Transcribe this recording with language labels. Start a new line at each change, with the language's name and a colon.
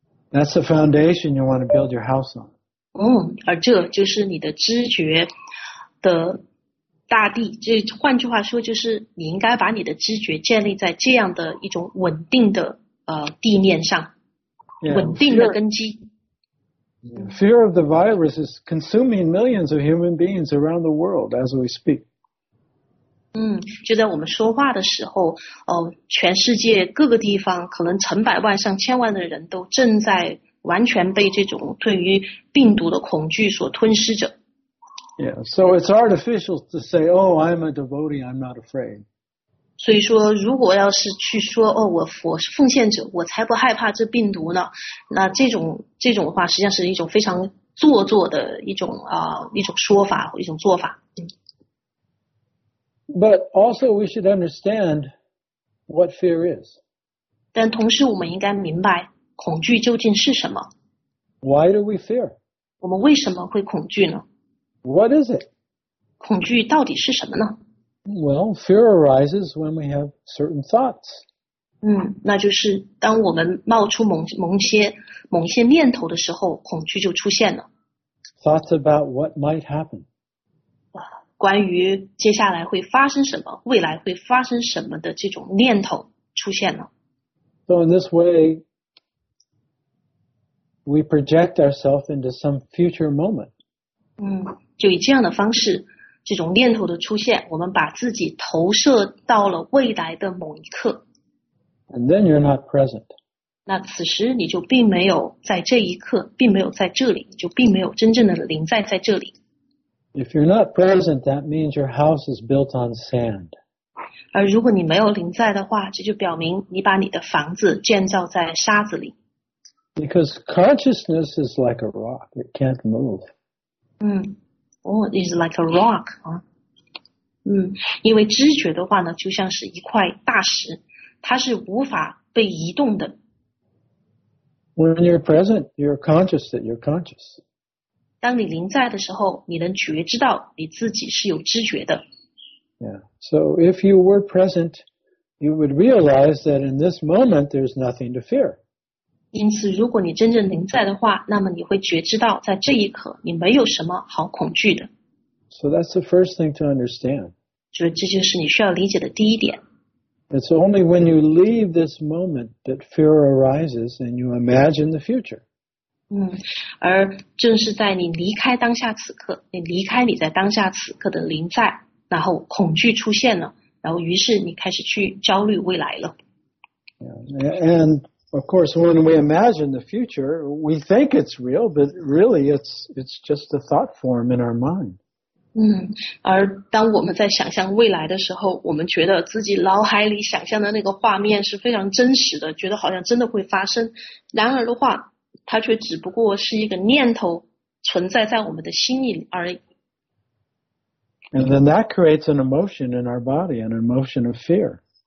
English: That's the foundation you want to build your house on.
Chinese: 而这就是你的知觉的大地。这换句话说就是你应该把你的知觉建立在这样的一种稳定的地面上。
English: Yeah,
Chinese: 稳定的根基。
English: Fear of the virus is consuming millions of human beings around the world as we speak.
Chinese: 就在我们说话的时候，全世界各个地方可能成百万上千万的人都正在完全被这种对于病毒的恐惧所吞噬着。
English: Yeah, so it's artificial to say, oh, I'm a devotee, I'm not afraid.
Chinese: 所以说如果要是去说，哦，我是奉献者，我才不害怕这病毒呢，那这种话实际上是一种非常做作的一种说法，一种做法。
English: But also we should understand what fear is.
Chinese: 但同时我们应该明白恐惧究竟是什么。
English: Why do we fear?
Chinese: 我们为什么会恐惧呢？
English: What is it?
Chinese: 恐惧到底是什么呢？
English: Well, fear arises when we have certain thoughts.
Chinese: 那就是当我们冒出某些念头的时候，恐惧就出现了。
English: Thoughts about what might happen.
Chinese: 关于接下来会发生什么，未来会发生什么的这种念头出现了。
English: So in this way, we project ourselves into some future moment.
Chinese: 就以这样的方式，这种念头的出现，我们把自己投射到了未来的某一刻。
English: And then you're not present.
Chinese: 那此时你就并没有在这一刻，并没有在这里，就并没有真正的临在这里。
English: If you're not present, that means your house is built on sand.
Chinese: 而如果你没有临在的话，这就表明你把你的房子建造在沙子里。
English: Because consciousness is like a rock, it can't move. It's like a rock.
Chinese: 因为知觉的话呢，就像是一块大石，它是无法被移动的。
English: When you're present, you're conscious that you're conscious.
Chinese: 当你临在的时候，你能觉知到你自己是有知觉的。
English: Yeah. So if you were present, you would realize that in this moment there's nothing to fear.
Chinese: 因此，如果你真正临在的话，那么你会觉知到在这一刻你没有什么好恐惧的。
English: So that's the first thing to understand.
Chinese: 这就是你需要理解的第一点。
English: It's only when you leave this moment that fear arises and you imagine the future.
Chinese: 而正是在你离开当下此刻，你离开你在当下此刻的临在，然后恐惧出现了，然后于是你开始去焦虑未来了。
English: Yeah, and of course, when we imagine the future, we think it's real, but really it's just a thought form in our mind.
Chinese: 而当我们在想象未来的时候，我们觉得自己脑海里想象的那个画面是非常真实的，觉得好像真的会发生。然而的话，它却只不过是一个念头存在在我们的心里而已。
English: And then that creates an emotion in our body, an emotion of fear.